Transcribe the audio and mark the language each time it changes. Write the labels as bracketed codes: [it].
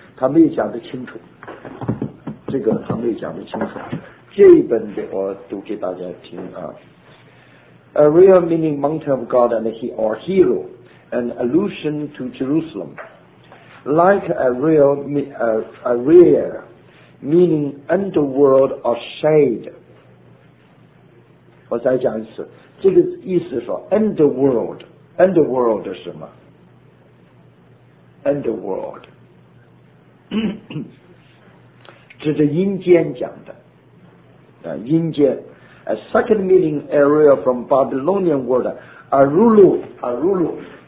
[zh] 他没有讲得清楚，这个他没有讲得清楚。这一本的我读给大家听啊。 [en] A real meaning mountain of God and or hero, an allusion to Jerusalem. Like a real meaning underworld or shade. [zh] 我再讲一次，这个意思说 underworld 是什么？ Underworld 这是阴间讲的，阴间。 [en] A second meaning area from Babylonian word, Arulu, Arulu.